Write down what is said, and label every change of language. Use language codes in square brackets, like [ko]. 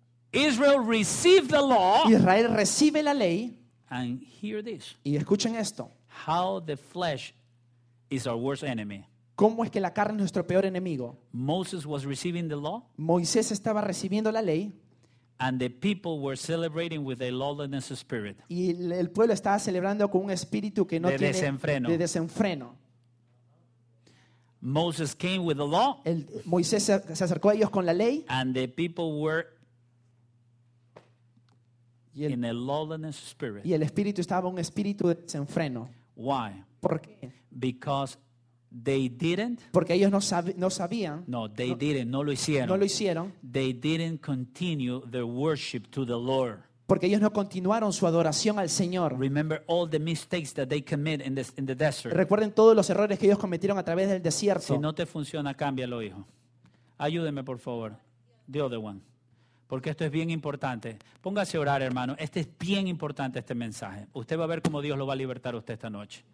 [en] Israel received the law. [es] Israel recibe la ley. [en] And hear this. [es] Y escuchen esto. [en] How the flesh is our worst enemy. [es] ¿Cómo es que la carne es nuestro peor enemigo? [en] Moses was receiving the law. [es] Moisés estaba recibiendo la ley. [en] And the people were celebrating with a lawlessness spirit. [es] Y el pueblo estaba celebrando con un espíritu que no tiene desenfreno. De desenfreno. [en] Moses came with the law. [es] Moisés se acercó a ellos con la ley. [en] And the people were in a lawlessness spirit. [es] Y el espíritu estaba un espíritu de desenfreno. [en] Why? [es] ¿Por qué? [en] Because they didn't. [es] Porque ellos no sabían. [en] No, they didn't. [es] No lo hicieron. No lo hicieron. [en] They didn't continue their worship to the Lord. [es] Porque ellos no continuaron su adoración al Señor. [en] Remember all the mistakes that they commit in the desert. [es] Recuerden todos los errores que ellos cometieron a través del desierto. Si no te funciona, cámbialo, hijo. Ayúdeme, por favor. [en] The other one. [es] Porque esto es bien importante. Póngase a orar, hermano. Este es bien importante, este mensaje. Usted va a ver cómo Dios lo va a libertar a usted esta noche.